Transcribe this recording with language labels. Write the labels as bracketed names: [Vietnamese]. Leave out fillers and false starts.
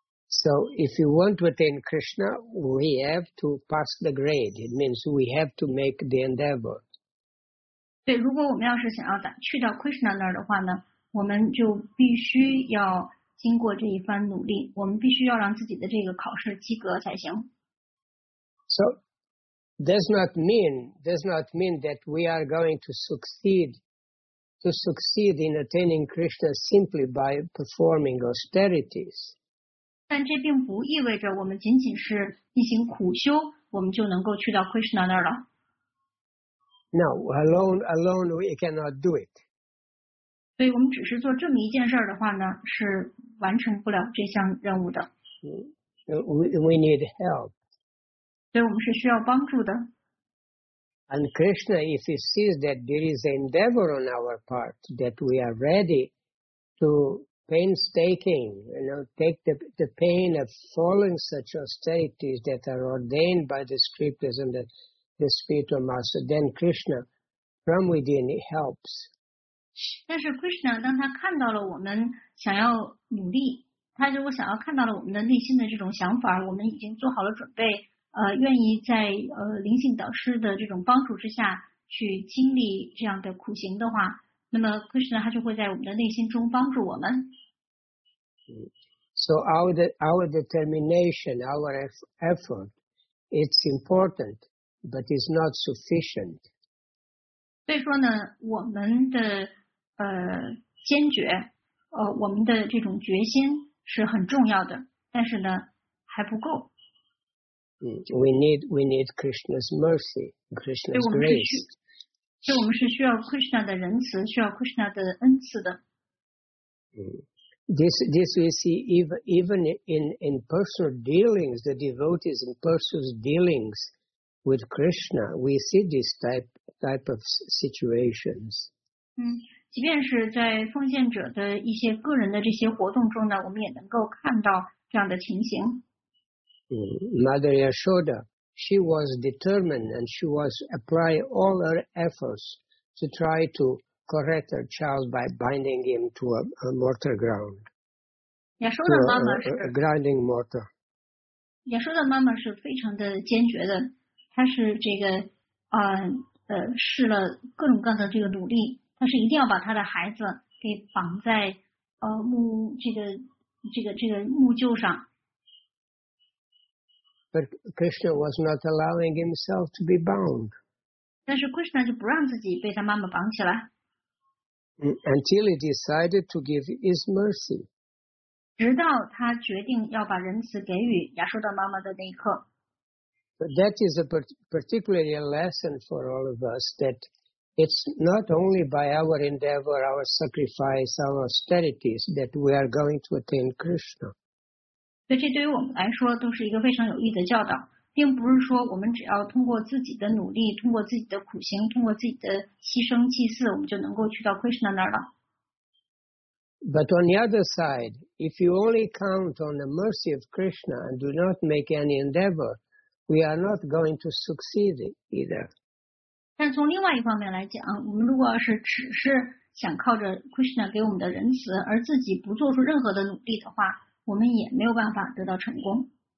[English] So if you want to attain Krishna, we have to pass the grade. It means we have to make the endeavor. [Chinese] 对，如果我们要是想要去到 Krishna 那儿的话呢，我们就必须要经过这一番努力，我们必须要让自己的这个考试及格才行。 [English] So,Does not mean that we are going to succeed in attaining Krishna simply by performing austerities. [Chinese] 但这并不意味着我们仅仅是一行苦修，我们就能够去到 Krishna 那儿了。 [English] No, alone we cannot do it. [Chinese] 所以我们只是做这么一件事的话呢，是完成不了这项任务的。 [English] We need help. [Chinese] 所以我们是需要帮助的。 [English] And Krishna, if he sees that there is an endeavor on our part, that we are ready to painstaking, you know, take the pain of following such austerities that are ordained by the scriptures and the spiritual master, then Krishna, from within, he helps. [Chinese] 但是 Krishna, 当他看到了我们想要努力，他如果想要看到了我们的内心的这种想法，我们已经做好了准备。愿意在灵性导师的这种帮助之下去经历这样的苦行的话，那么可是呢，他就会在我们的内心中帮助我们。 [English] So our determination, our effort, it's important, but it's not sufficient. [Chinese] 所以说呢，我们的坚决，我们的这种决心是很重要的，但是呢，还不够。 [English] We need Krishna's mercy, Krishna's grace. [Chinese] 所以我们是需要 Krishna 的仁慈，需要 Krishna 的恩赐的。 [English] This we see even in personal dealings, the devotees in personal dealings with Krishna, we see this type of situations. [Chinese] 即便是在奉献者的一些个人的这些活动中呢，我们也能够看到这样的情形。 [English] Mother Yashoda, she was determined and she was applying all her efforts to try to correct her child by binding him to a mortar ground. [Chinese] Yashoda 妈妈是 [English] a grinding mortar. [Chinese] Yashoda 妈妈是非常的坚决的，她是这个试了各种各样的这个努力，她是一定要把她的孩子给绑在木臼上。 [English] But Krishna was not allowing himself to be bound. [Chinese] 但是 Krishna 就不让自己被他妈妈绑起来。 [English] Until he decided to give his mercy. [Chinese] 直到他决定要把仁慈给予亚述的妈妈的那一刻。 [English] But that is a particularly a lesson for all of us, that it's not only by our endeavor, our sacrifice, our austerities that we are going to attain Krishna. [Chinese] 所以这对于我们来说都是一个非常有益的教导，并不是说我们只要通过自己的努力，通过自己的苦行，通过自己的牺牲祭祀，我们就能够去到 Krishna 那儿了。 [English] But on the other side, if you only count on the mercy of Krishna and do not make any endeavor, we are not going to succeed either. [Chinese] 但从另外一方面来讲，我们如果要是只是想靠着 Krishna 给我们的仁慈，而自己不做出任何的努力的话，我们也没有办法得到成功。